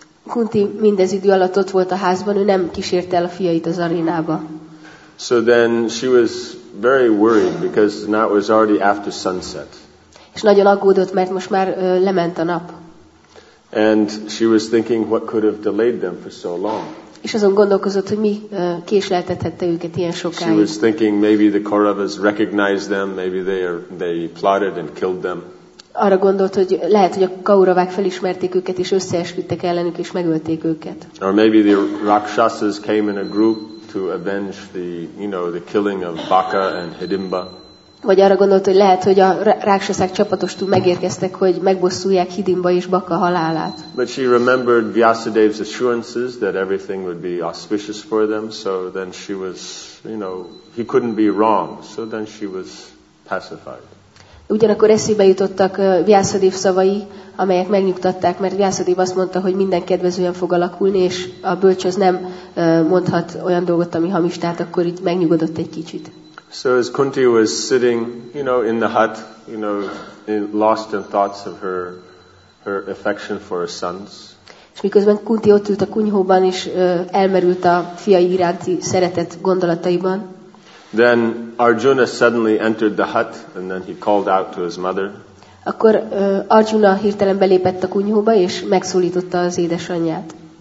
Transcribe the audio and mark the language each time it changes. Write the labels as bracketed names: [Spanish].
[Hungarian] Kunti mindez idő alatt ott volt a házban, ő nem kísérte el a fiait az arénába. [English] So then she was very worried because now it was already after sunset. [Hungarian] És nagyon aggódott, mert most már lement a nap. [English] And she was thinking what could have delayed them for so long. [Hungarian] És azon gondolkozott, hogy mi késleltethette őket ilyen sokáig. [English] She was thinking maybe the Kauravas recognized them, maybe they plotted and killed them. [Hungarian] Arra gondolt, hogy lehet, hogy a Kauravák felismerték őket és összeesküdtek ellenük és megölték őket. [English] Or maybe the Rakshasas came in a group to avenge the, you know, the killing of Baka and Hidimba. [Hungarian] Vagy arra gondolt, hogy lehet, hogy a rákszaszák csapatostul megérkeztek, hogy megbosszulják Hidimba és Baka halálát. [English] But she remembered Vyasadeva's assurances that everything would be auspicious for them, so then she was, you know, he couldn't be wrong, so then she was pacified. [Hungarian] Ugyanakkor eszébe jutottak Vyasadev szavai, amelyek megnyugtatták, mert Vyasadev azt mondta, hogy minden kedvezően fog alakulni, és a bölcs az nem mondhat olyan dolgot, ami hamis, tehát akkor így megnyugodott egy kicsit. [English] So as Kunti was sitting, you know, in the hut, you know, lost in thoughts of her affection for her sons. [Hungarian] És miközben Kunti ott ült a kunyhóban és elmerült a fiai iránti szeretet gondolataiban. [English] Then Arjuna suddenly entered the hut and then he called out to his mother. [Hungarian] Akkor Arjuna hirtelen belépett a kunyhóba és megszólította az édesanyját.